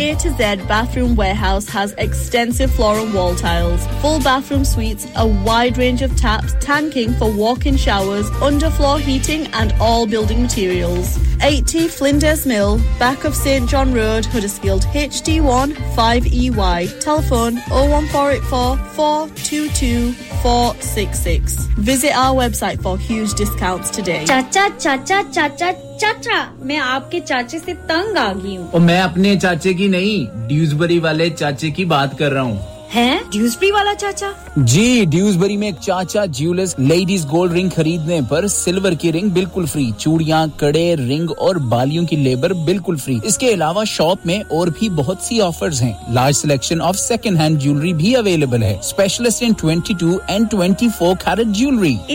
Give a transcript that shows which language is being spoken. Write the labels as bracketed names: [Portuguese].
[English] A to Z bathroom warehouse has extensive floor and wall tiles full bathroom suites a wide range of taps tanking for walk in showers under floor heating and all building materials 80 Flinders Mill back of Saint John Road Huddersfield HD1 5EY telephone 484-422-466. Visit our website for huge discounts today. Chacha, chacha, chacha, chacha. [Hindi] मैं आपके चाचे से तंग आ गई हूँ. और मैं अपने चाचे की नहीं, ड्यूसबरी वाले चाचे की बात कर रहा हूँ. हैं? ड्यूसबरी वाला चाचा? जी, ड्यूसबरी में एक चाचा ज्यूलर्स लेडीज गोल्ड रिंग खरीदने पर सिल्वर की रिंग बिल्कुल फ्री चूड़ियां कड़े रिंग और बालियों की लेबर बिल्कुल फ्री इसके अलावा शॉप में और भी बहुत सी ऑफर्स हैं [English] large selection of second hand jewellery [Hindi] भी अवेलेबल है [English] specialist in 22 and 24 carat jewellery